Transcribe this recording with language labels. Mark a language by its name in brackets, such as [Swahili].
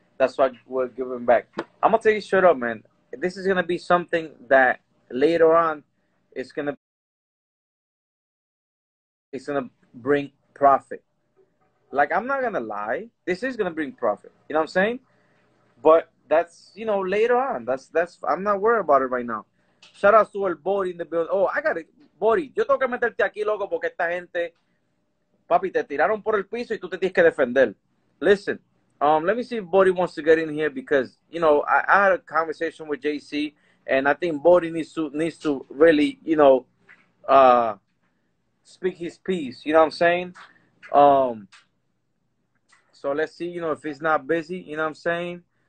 [English] That's why we're giving back. I'm going to tell you straight up, man. This is going to be something that later on is going to bring profit. Like, I'm not gonna lie, this is gonna bring profit, you know what I'm saying? But that's, you know, later on. That's I'm not worried about it right now. Shout out to El Bori in the building. Oh, I got it, Bori. [Spanish] Yo tengo que meterte aquí, loco, porque esta gente, papi, te tiraron por el piso y tú te tienes que defender. [English] Listen, let me see if Bori wants to get in here, because, you know, I had a conversation with JC, and I think Bori needs to really, you know, speak his piece, you know what I'm saying? So let's see, you know, if he's not busy, you know what I'm saying?